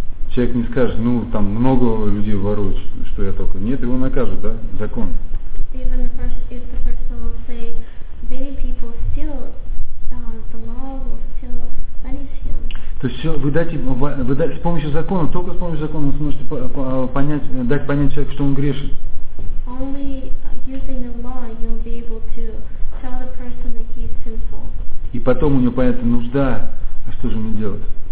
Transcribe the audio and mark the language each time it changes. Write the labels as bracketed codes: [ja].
[ru] Человек не скажет, ну там много людей воруют, что я только. Нет, его накажут, да? Закон. [en] Even if the person will say, many people steal, the law will still punish him. [ru] То есть все, вы с помощью закона, только с помощью закона вы сможете дать понять человеку, что он грешен. [en] Only using the law you'll be able to tell the person that he is sinful. [ru] И потом у него появится нужда, а что же мне делать?